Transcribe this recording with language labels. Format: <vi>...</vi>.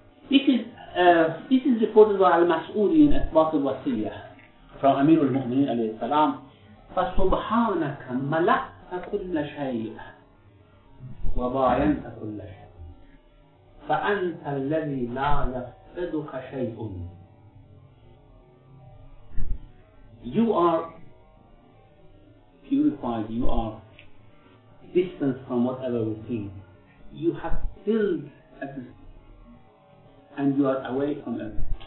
<en>This is reported by Al-Mas'udi in Asbaq al-Wasiyah from Amirul Mu'mineen alayhi salam.</en> <ar>فَسُبْحَانَكَ مَلَأْتَ كُلَّ شَيْءٍ وَبَايَنْتَ كُلَّ شَيْءٍ فَأَنْتَ الَّذِي لَا يَفْقِدُكَ شَيْءٌ</ar> <en>You are purified, you are distant from whatever we see. You have filled and you are away from everything.</en>